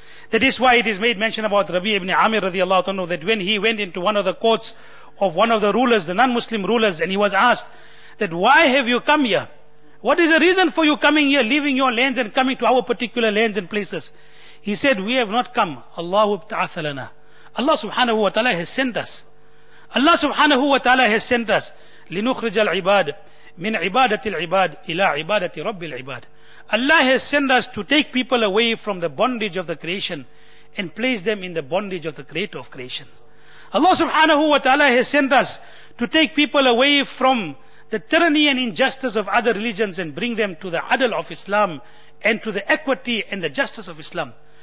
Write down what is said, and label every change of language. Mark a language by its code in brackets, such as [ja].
[en] That is why it is made mention about Rabi ibn Amir radiallahu ta'ala, that when he went into one of the courts of one of the rulers, the non-Muslim rulers, and he was asked that, why have you come here? What is the reason for you coming here, leaving your lands and coming to our particular lands and places? He said, we have not come. Allahu ta'athalana. Allah subhanahu wa ta'ala has sent us. Allah subhanahu wa ta'ala has sent us. [ar] لنخرج العباد من عبادة العباد إلى عبادة رب العباد. [en] Allah has sent us to take people away from the bondage of the creation and place them in the bondage of the creator of creation. Allah subhanahu wa ta'ala has sent us to take people away from the tyranny and injustice of other religions and bring them to the adl of Islam and to the equity and the justice of Islam.